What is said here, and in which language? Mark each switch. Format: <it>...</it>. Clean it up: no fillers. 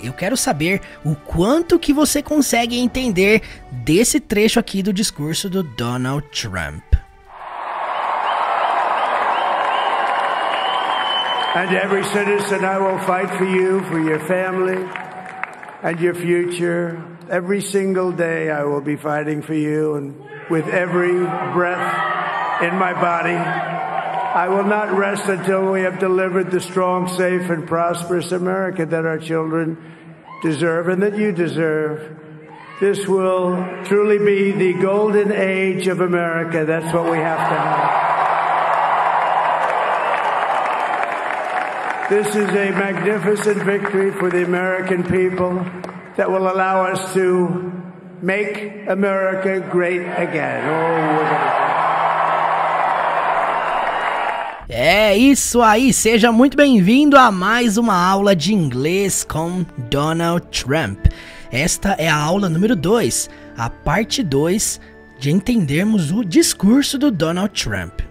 <pt>Eu quero saber o quanto que você consegue entender desse trecho aqui do discurso do Donald Trump.</pt> <en>And every citizen, I will fight for you, for your family and your future. Every single day I will be fighting for you, and with every breath in my body, I will not rest until we have delivered the strong, safe, and prosperous America that our children deserve and that you deserve. This will truly be the golden age of America. That's what we have to have. This is a magnificent victory for the American people that will allow us to make America great again. Oh,</en> <pt>é isso aí, seja muito bem-vindo a mais uma aula de inglês com Donald Trump. Esta é a aula número 2, a parte 2 de entendermos o discurso do Donald Trump.</pt>